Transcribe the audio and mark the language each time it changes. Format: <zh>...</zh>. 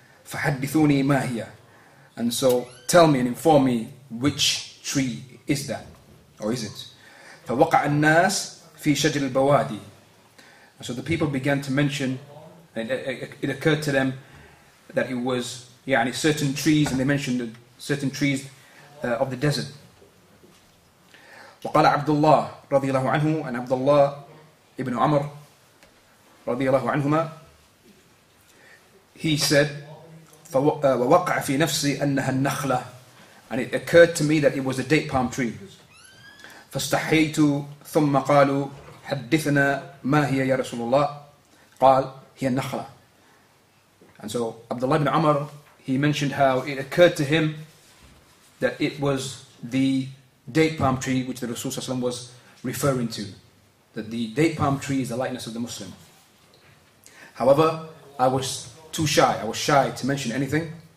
<ar>Fahadithuni ma hiya.</ar> <en>And so, tell me and inform me which tree is that, or is it?</en> <ar>Fawqa al-nas fi shajar al-bawadi.</ar> <en>So the people began to mention, and it occurred to them that it was certain trees, and they mentioned certain trees of the desert.</en> <ar>وقال عبد الله رضي الله عنه and عبد الله ابن عمر رضي الله عنهما,</ar> <en>he said</en> <ar>ووقع في نفسي أنها النخلة,</ar> <en>and it occurred to me that it was a date palm tree.</en> <ar>فاستحيت ثم قالوا حدثنا ما هي يا رسول الله قال هي النخلة.</ar> <en>And so Abdullah ibn Umar, he mentioned how it occurred to him that it was the date palm tree which the Rasul sallallahu alaihi wasallam was referring to, that the date palm tree is the likeness of the Muslim. However, I was shy to mention anything.</en>